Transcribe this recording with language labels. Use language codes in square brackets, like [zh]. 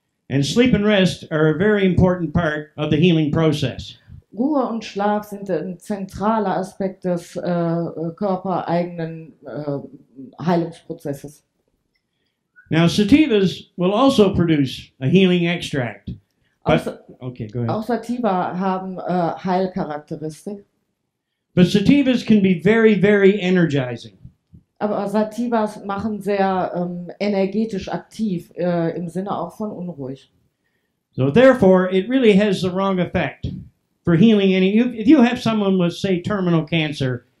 [en] And sleep and rest are a very important part of the healing process. [de] Ruhe und Schlaf sind ein zentraler Aspekt des körpereigenen Heilungsprozesses. [en] Now, Sativas will also produce a healing extract. [de] Auch Sativa haben Heilcharakteristik. [en] But Sativas can be very, very energizing. [de] Aber Sativas machen sehr energetisch aktiv, im Sinne auch von unruhig. [en] So therefore, it really has the wrong effect for healing any. If you have someone with, say, terminal cancer,